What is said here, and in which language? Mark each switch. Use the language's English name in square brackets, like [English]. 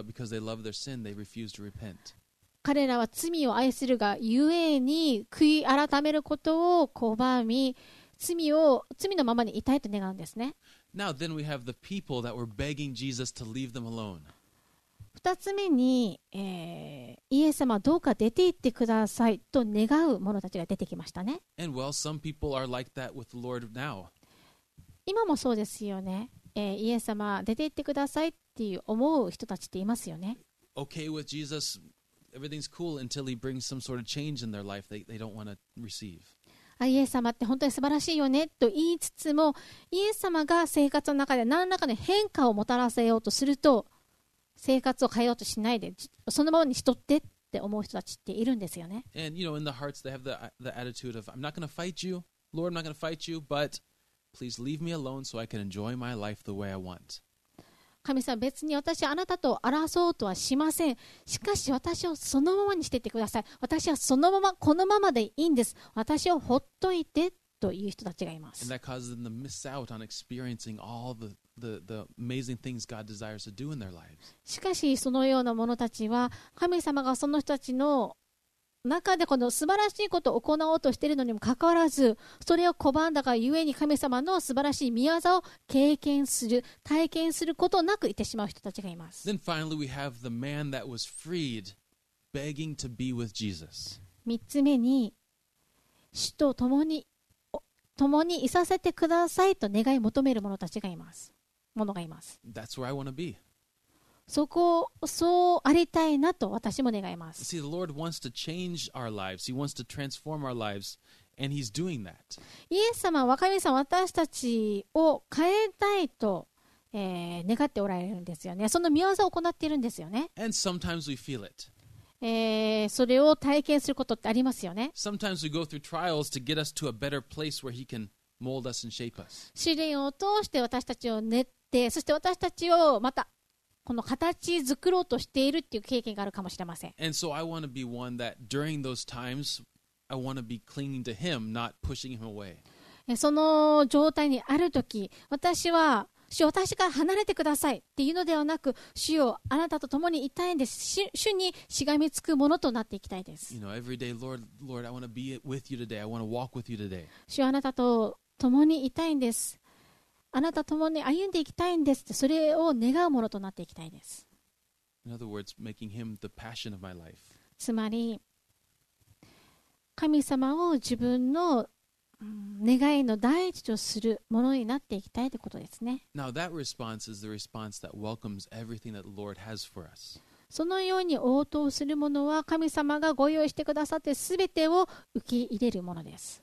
[English] But because they love their sin, they refuse to repent. [Japanese] 彼らは罪を愛するがゆえに悔い改めることを拒み、罪のままにいたいと願うんですね。 [English] Now, then we have the people that were begging Jesus to leave them alone. [Japanese] 二つ目に、イエス様どうか出て行ってくださいと願う者たちが出てきましたね。 [English] And well, some people are like that with the Lord now. [Japanese] 今もそうですよね。イエス様出て行ってくださいっていう思う人たちっていますよね。 [English] Okay with Jesus. Everything's cool until he brings some sort of change in their life they don't want to receive. [Japanese] イエス様って本当に素晴らしいよねと言いつつも、イエス様が生活の中で何らかの変化をもたらせようとすると、生活を変えようとしないで、そのままにしとってって思う人たちっているんですよね。 [English] And you know, in the hearts they have the attitude of, I'm not going to fight you, Lord, I'm not going to fight you, but please leave me alone so I can enjoy my life the way I want. [Japanese] 神様、別に私はあなたと争おうとはしません。しかし私をそのままにしていってください。私はそのままこのままでいいんです。私をほっといてという人たちがいます。 [English] And that causes them to miss out on experiencing all the amazing things God desires to do in their lives. [Japanese] しかしそのような者たちは神様がその人たちの中でこの素晴らしいことを行おうとしているのにもかかわらず、それを拒んだがゆえに神様の素晴らしい御業を経験する、体験することなくいてしまう人たちがいます。 [English] Then finally we have the man that was freed, begging to be with Jesus. [Japanese] 三つ目に、主と共にいさせてくださいと願い求める者たちがいます。ものがいます。 [English] That's where I want to be. [Japanese] そうありたいなと私も願います。 [English] See, the Lord wants to change our lives. He wants to transform our lives, and He's doing that. [Japanese] イエス様は神様、私たちを変えたいと、願っておられるんですよね。その御業を行っているんですよね。 [English] And sometimes we feel it. [Japanese] それを体験することってありますよね。 [English] Sometimes we go through trials to get us to a better place where He can mold us and shape us. [Japanese] 試練を通して私たちを練って、そして私たちをまたこの形作ろうとしているっていう経験があるかもしれません。 [English] And so I want to be one that during those times I want to be clinging to him, not pushing him away. [Japanese] その状態にあるとき、私は主を私から離れてくださいっていうのではなく、主をあなたと共にいたいんです。主にしがみつくものとなっていきたいです。 [English] You know, every day, Lord, I want to be with you today. I want to walk with you today. [Japanese] 主あなたと共にいたいんです。あなたともに歩んでいきたいんですって、それを願うものとなっていきたいです。 [English] In other words, making him the passion of my life. [Japanese] つまり、神様を自分の、願いの第一とするものになっていきたいということですね。 [English] Now that response is the response that welcomes everything that the Lord has for us. [Japanese] そのように応答するものは神様がご用意してくださって全てを受け入れるものです。